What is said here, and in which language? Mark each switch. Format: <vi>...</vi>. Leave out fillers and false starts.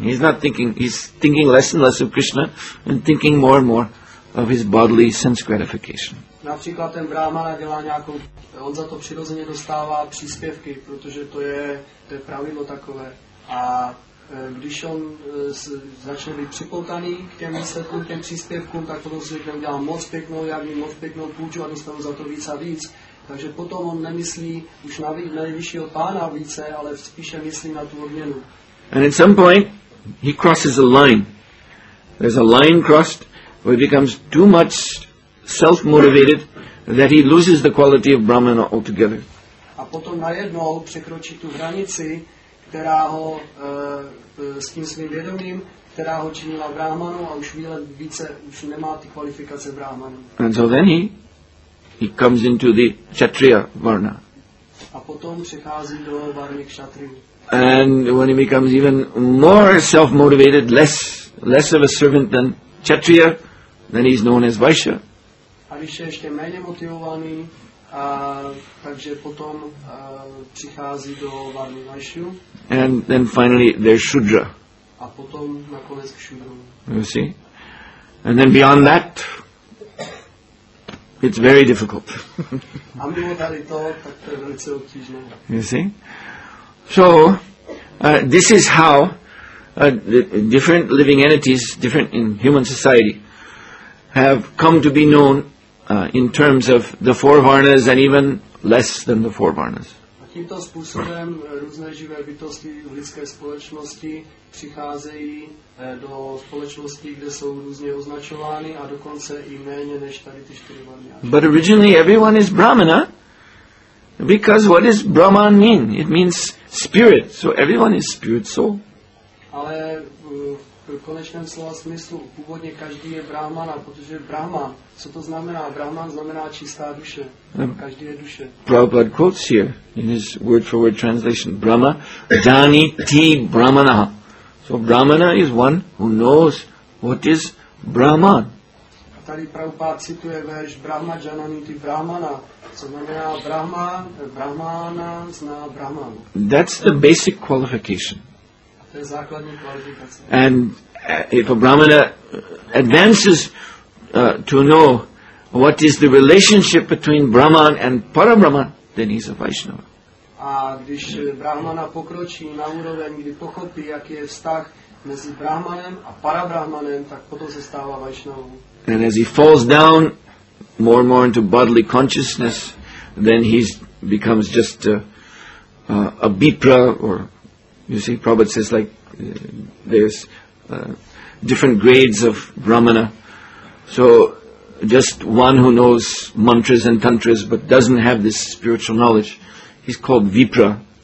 <en>He's not thinking, he's thinking less and less of Krishna and thinking more and more of his bodily sense gratification.</en> <cs>Například ten brahmana dělá nějakou, on za to přirozeně dostává příspěvky, protože to je pravidlo takové. A když on začne být připoutaný k těm výsledkům, těm příspěvkům, tak potom si řekne, udělám moc pěknou, já mi moc pěknou půjču a dostanu za to víc a víc. Takže potom on nemyslí už na nejvyššího pána více, ale spíše myslí na tu odměnu.</cs> <en>And at some point, he crosses a line. There's a line crossed where he becomes too much self-motivated that he loses the quality of Brahmana altogether.</en> <cs>A potom najednou překročí tu hranici, která ho s tím svým vědomím, která ho činila brahmanu a už víle více už nemá ty kvalifikace brahmanu.</cs> <en>And so then he comes into the kshatriya varna.</en> <cs>A potom přichází do varny kshatriyů.</cs> <en>And when he becomes even more self-motivated, less of a servant than kshatriya, then he's known as vaishya.</en> <cs>A když je ještě méně motivovaný, takže potom přichází do varny vaishyu.</cs> <en>And then finally there's shudra.</en> <cs>A potom nakonec kshudra.</cs> <en>You see? And then beyond that, it's very difficult.</en> <cs>A mimo tady to, tak to je velice obtížné.</cs> <en>You see? So, this is how the different living entities, different in human society, have come to be known in terms of the four varnas and even less than the four varnas.</en> <cs>A tímto způsobem různé živé bytosti v lidské společnosti přicházejí do společnosti, kde jsou různě označovány a dokonce i méně než tady ty čtyři varny.</cs> <en>But originally everyone is Brahmana. Because what does Brahman mean? It means spirit. So everyone is spirit soul.</en> <cs>Ale v konečném slova smyslu původně každý je Brahmana, protože Brahman, co to znamená? Brahman znamená čistá duše. Každý je duše.</cs> <en>Prabhupada quotes here in his word for word translation, Brahma dani ti Brahmana. So Brahmana is one who knows what is Brahman.</en> <cs>Tady Prabhupada cituje verš Brahma jananiti Brahmana, co znamená Brahma, Brahmana zná Brahman.</cs> <en>That's the basic qualification.</en> <cs>A to je základní kvalifikace.</cs> <en>And if a Brahmana advances to know what is the relationship between Brahman and Parabrahma, then he's a Vaishnava.</en> <cs>A když Brahmana pokročí na úroveň, kdy pochopí, jaký je vztah mezi Brahmanem a Parabrahmanem, tak potom se stává Vaishnava.</cs> <en>And as he falls down more and more into bodily consciousness, then he becomes just a bipra, or you see, Prabhupada says like there's different grades of brahmana. So just one who knows mantras and tantras but doesn't have this spiritual knowledge, he's called vipra.</en>